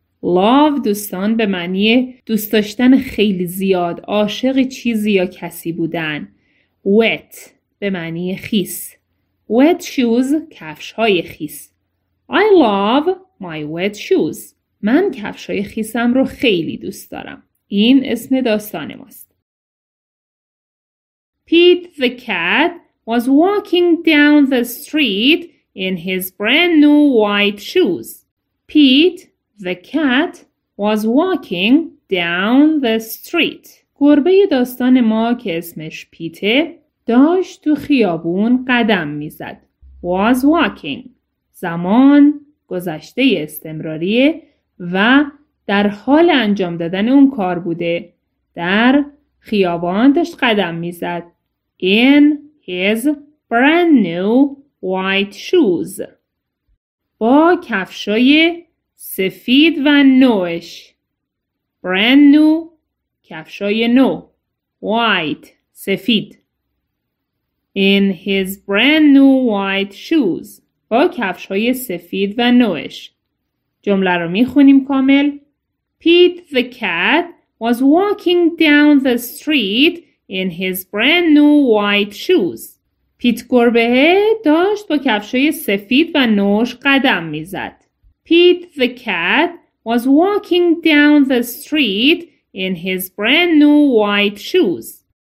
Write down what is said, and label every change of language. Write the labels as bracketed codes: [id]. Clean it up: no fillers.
[fa] Love دوستان به معنی دوست داشتن خیلی زیاد، عاشق چیزی یا کسی بودن. Wet به معنی خیس. [en] Wet shoes [fa] کفش‌های خیس. [en] I love my wet shoes. [fa] من کفش‌های خیسم رو خیلی دوست دارم. این اسم داستان ماست. [en] Pete the cat was walking down the street in his brand new white shoes. Pete the cat was walking down the street. [fa] گربه داستان ما که اسمش پیته داشت تو خیابون قدم میزد. [en] Was walking. [fa] زمان گذشته استمراریه و در حال انجام دادن اون کار بوده. در خیابان داشت قدم میزد. [en] In his brand new white shoes. [fa] با کفشای سفید و نوش. [en] Brand new [fa] کفشای نو. White سفید. [en] In his brand new white shoes. [fa] با کفشای سفید و نوش. جمله رو میخونیم کامل. [en] Pete the cat was walking down the street in his brand new white shoes. [fa] پیت گربه داشت با کفشای سفید و نوش قدم میزد. [en] Pete the cat was walking down the street in his brand new white shoes.